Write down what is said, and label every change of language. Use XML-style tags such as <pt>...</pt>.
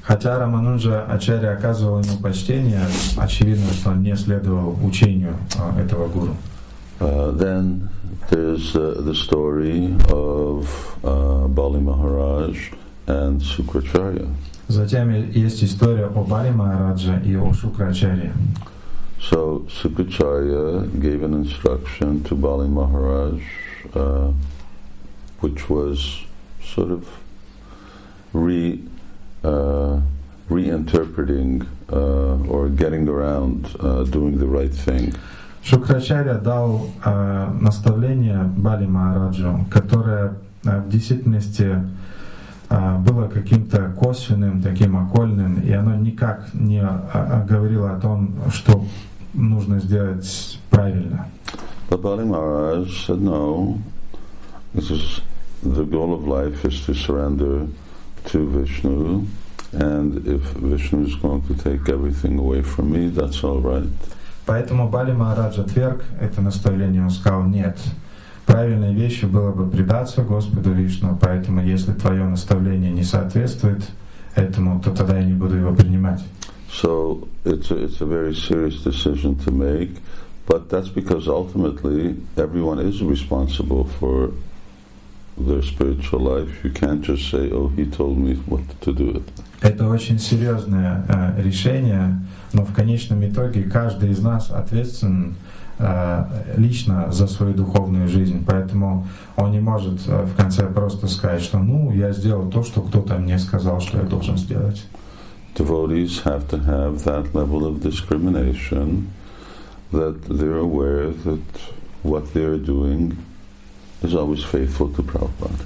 <ru>Хотя Рамануджачарья оказывал ему почтение, очевидно, что он не следовал учению этого гуру.</ru> <en>Then there's the story of Бали Махарадж and Sukracharya.</en> <ru>Затем есть история о Бали Махарадже и о Шукрачарье.</ru> <en>So Sukracharya gave an instruction to Бали Махарадж, which was sort of reinterpreting or getting around doing the right thing.</en> <ru>Шукрачарья дал наставление Бали Махараджу, которое в действительности было каким-то косвенным, таким окольным, и оно никак не говорило о том, что нужно сделать правильно.</ru> <en>But Бали Махарадж said, no, this is the goal of life is to surrender to Vishnu, and if Vishnu is going to take everything away from me, that's all right.</en> <ru>Поэтому Бали Махарадж отверг это наставление, он сказал, нет, правильной вещью было бы предаться Господу Вишну, поэтому если твое наставление не соответствует этому, то тогда я не буду его принимать.</ru> <en>So it's a very serious decision to make, but that's because ultimately everyone is responsible for their spiritual life. You can't just say, "Oh, he told me what to do it."</en> <ru>Это очень серьезное решение, но в конечном итоге каждый из нас ответственен лично за свою духовную жизнь, поэтому он не может в конце просто сказать, что, ну, я сделал то, что кто-то мне сказал, что я должен сделать.</ru> <en>Devotees have to have that level of discrimination that they're aware that what they're doing is always faithful to Prabhupada.</en>